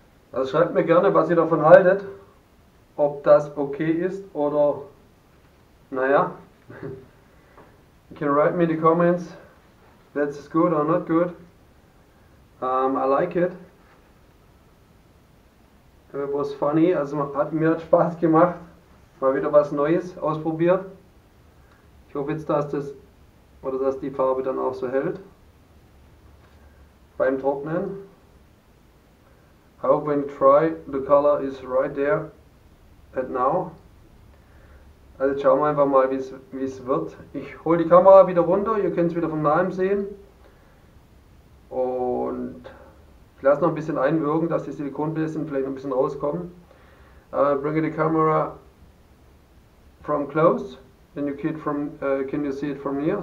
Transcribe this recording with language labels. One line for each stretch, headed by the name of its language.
German: Also schreibt mir gerne, was ihr davon haltet, ob das okay ist oder naja.
English: You can write me in the comments, that's good or not good. I like it. It was funny,
German: also mir hat Spaß gemacht, mal wieder was Neues ausprobiert. Ich hoffe jetzt, dass die Farbe dann auch so hält beim Trocknen.
English: I hope when you try, the color is right there and now.
German: Also schauen wir einfach mal, wie es wird. Ich hole die Kamera wieder runter, ihr könnt es wieder von nahem sehen. Und ich lasse noch ein bisschen einwirken, dass die Silikonbläschen vielleicht noch ein bisschen rauskommen.
English: Bring the camera from close, then you can can you see it from here?